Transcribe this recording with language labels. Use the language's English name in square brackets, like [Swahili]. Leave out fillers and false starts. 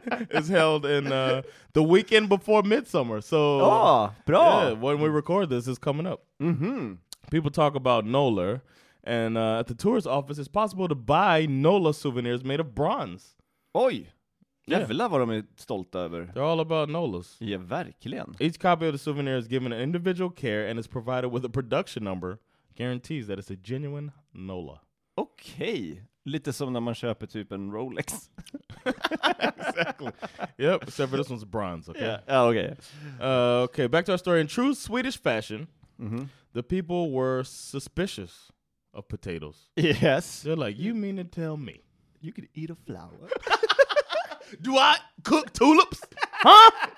[English] It's held in the weekend before Midsummer. So, [Swedish] bra. [English] Yeah, when we record this, it's coming up. Mm-hmm. People talk about Nola, and at the tourist office, it's possible to buy Nola souvenirs made of bronze. [Swedish] Oj, jävlar vad de är stolta över. [English] They're all about Nolas. [Swedish] Ja, verkligen. [English] Each copy of the souvenir is given an individual care and is provided with a production number. Guarantees that it's a genuine Nola. Okay. [Swedish] Lite som när man köper typ en Rolex. [English] Exactly. Yep, except for this one's bronze, okay? Yeah. Okay. Okay, back to our story. In true Swedish fashion, mm-hmm. The people were suspicious of potatoes. Yes. They're like, you mean to tell me? You could eat a flower. Do I cook tulips? Huh?